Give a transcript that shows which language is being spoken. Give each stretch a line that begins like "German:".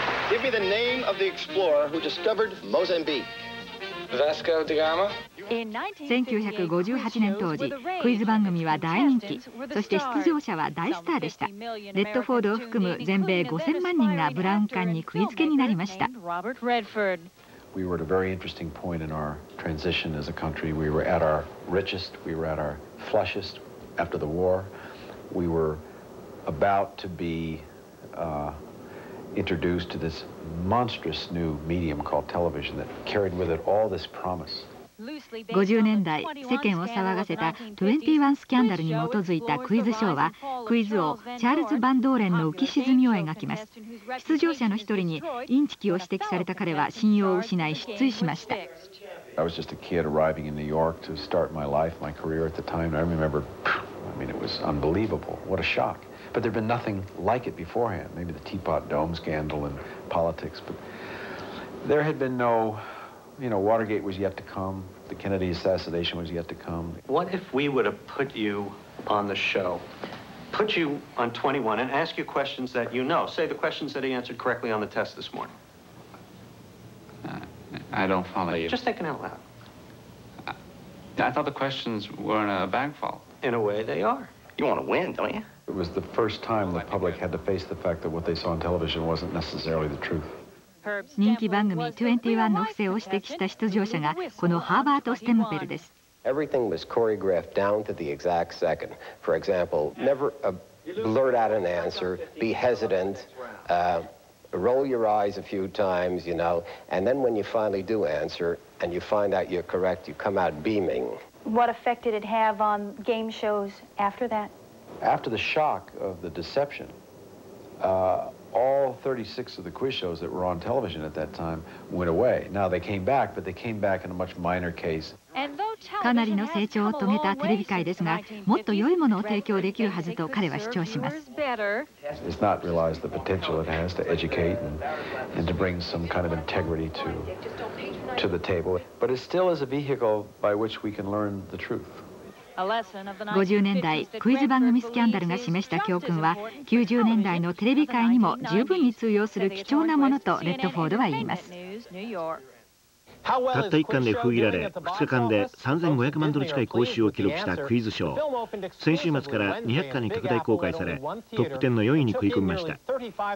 English: Give me the name of the explorer who discovered Mozambique. Vasco da Gama.
Japanese: 1958年当時、クイズ番組は大人気、そして出場者は大スターでした。レッドフォードを含む全米5000万人がブラウン管に釘付けになりました。
English: We were at a very interesting point in our transition as a country. We were at our richest, we were at our flushest after the war. We were about to be introduced to this monstrous new medium called television that carried with it all this promise.
Japanese: 50年代、世間を騒がせた21スキャンダルに基づいたクイズショーは、クイズ王チャールズ・バンドーレンの浮き沈みを描きます。出場者の一人にインチキを指摘された彼は信用を失い失墜しました。
English: I was just a kid arriving in New York to start my life, my career at the time. I remember, I mean, it was unbelievable. What a shock. But there'd been nothing like it beforehand. Maybe the Teapot Dome scandal and politics, but there had been no... You know, Watergate was yet to come. The Kennedy assassination was yet to come. What if we would have put you on the show, put you on 21 and ask you questions that you know, say the questions that he answered correctly on the test this morning? I don't follow you. Just thinking out loud. I thought the questions were in a bank vault. In a way, they are. You want to win, don't you? It was the first time the public had to face the fact that what they saw on television wasn't necessarily the truth.
Japanese: 人気番組21の不正を指摘した出場者がこのハーバート・ステムペルです。
English: Everything was choreographed down to the exact second. For example, never blurt out an answer, be hesitant, roll your eyes a few times, you know, and then when you finally do answer and you find out you're correct, you come out beaming. What effect did it have on game shows after that? After the shock of the deception, All 36 of the quiz shows that were on television at that time went away. Now they came back, but they came back in a much minor case.
Japanese: かなりの成長を遂げたテレビ界ですが、もっと良いものを提供できるはずと彼は主張します。
English: It's not realized the potential it has to educate and to bring some kind of integrity to the table. But it still is a vehicle by which we can learn the truth.
Japanese: 50年代クイズ番組スキャンダルが示した教訓は、90年代のテレビ界にも十分に通用する貴重なものとレッドフォードは言います。たった1巻で封切られ、2日間で3500万ドル近い興収を記録したクイズショー、先週末から200巻に拡大公開され、トップ10の4位に食い込みました。